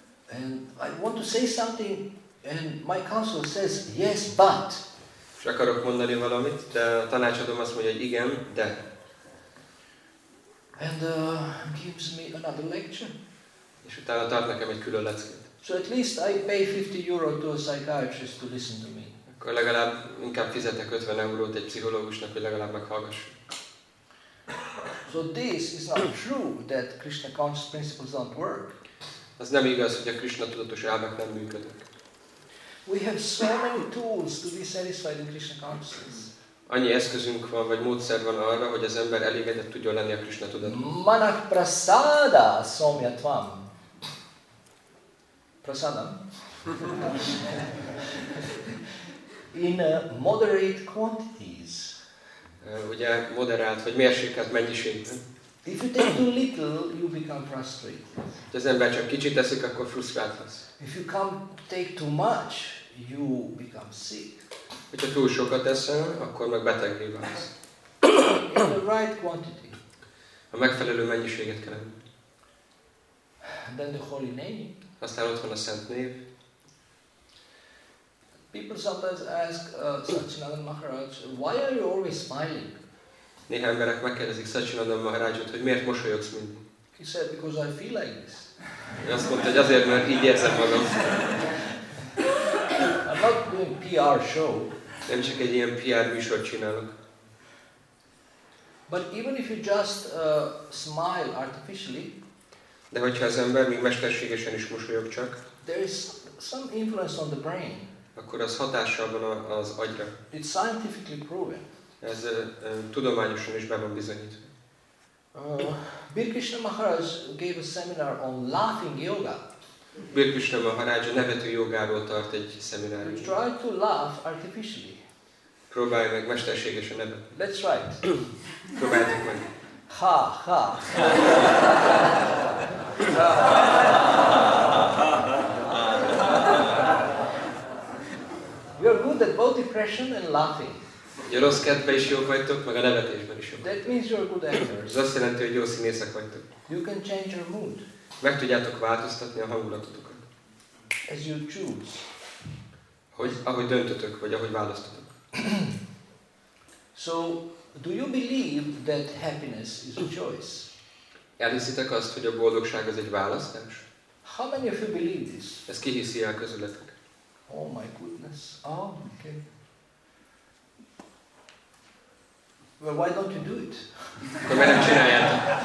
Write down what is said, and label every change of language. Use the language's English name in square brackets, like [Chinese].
[English] And I want to say something, and my counselor says yes, but. [Hungarian] És akarok mondani valamit, de a tanácsadom azt mondja, hogy igen, de. [English] And gives me another lecture. [Hungarian] És utána tart nekem egy külön leckét. [English] So at least I pay 50 euro to a psychiatrist to listen to me. [Hungarian] Akkor legalább inkább fizetek 50 eurót egy pszichológusnak, hogy legalább meghallgasson. [English] So this is not true that Krishna conscious principles don't work. [Hungarian] Az nem igaz, hogy a Krishna tudatos elvek nem működnek. [English] We have so many tools to be satisfied in Krishna consciousness. [Hungarian] Annyi eszközünk van, vagy módszer van arra, hogy az ember elégedett tudjon lenni a Krishna tudatban. [Sanskrit] Manak prasada somyatvam. Prasadam. [English] In moderate quantities. [Hungarian] Ugye moderált, vagy mérsékelt mennyiségben. [English] If you take too little, you become frustrated. [Hungarian] Ha az ember csak kicsit teszik, akkor frusztrált lesz. [English] If you come take too much, you become sick. [Hungarian] Hogyha túl sokat eszel, akkor meg betegé válsz. [English] In the right quantity. [Hungarian] A megfelelő mennyiséget kell. [English] Then the holy name. [Hungarian] Aztán ott van a szent név. [English] People sometimes ask Satchinandan Maharaj, why are you always smiling? [Hungarian] Néhány emberek megkérdezik Satchinandan Maharajot, hogy miért mosolyogsz mindig. [English] He said, because I feel like this. [Hungarian] Azt mondta, hogy azért, mert így érzem magam. [English] I'm not doing PR show. [Hungarian] Nem csak egy ilyen PR műsort csinálok. [English] But even if you just smile artificially, [Hungarian] de hogyha az ember még mesterségesen is mosolyog csak, [English] there is some influence on the brain. [Hungarian] Akkor az hatással van az agyra. [English] It's scientifically proven. [Hungarian] Ez tudományosan is be van bizonyítva. [English] Birkrishna Maharaj gave a seminar on laughing yoga. [Hungarian] Birkrishna Maharaj a nevető jogáról tart egy szemináriumot. [English] Try to laugh artificially. [Hungarian] Próbálj meg mesterségesen nevetni. [English] Let's try it. [Hungarian] Próbáljuk meg. Ha, ha. [English] We are good at both depression and laughing. [Hungarian] Ugye rossz kedvben is jók vagytok, meg a nevetésben is jók. [English] That means you are good actors. [Hungarian] Ez azt jelenti, hogy jó színészek vagytok. [English] You can change your mood. [Hungarian] Meg tudjátok változtatni a hangulatotokat. [English] As you choose. [Hungarian] Hogy, ahogy döntötök, vagy ahogy választotok. [English] So, do you believe that happiness is a choice? [Hungarian] Elhiszitek azt, hogy a boldogság az egy választás? [English] How many of you believe this? [Hungarian] Ezt ki hiszi el közületek? [English] Oh my goodness. Oh, okay. Well, why don't you do it? [Hungarian] Akkor miért nem csináljátok?